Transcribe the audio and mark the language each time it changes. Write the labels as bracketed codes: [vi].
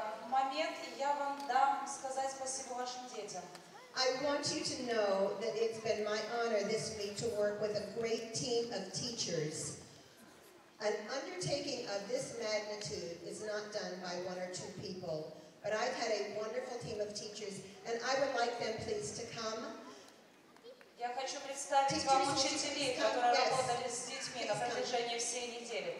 [ru] Момент, я вам дам сказать спасибо вашим детям. [en] I want you to know that it's been my honor this week to work with a great team of teachers. An undertaking of this magnitude is not done by one or two people, but I've had a wonderful team of teachers, and I would like them, please, to come. [ru] Я хочу представить вам учителей, которые работали с детьми на протяжении всей недели.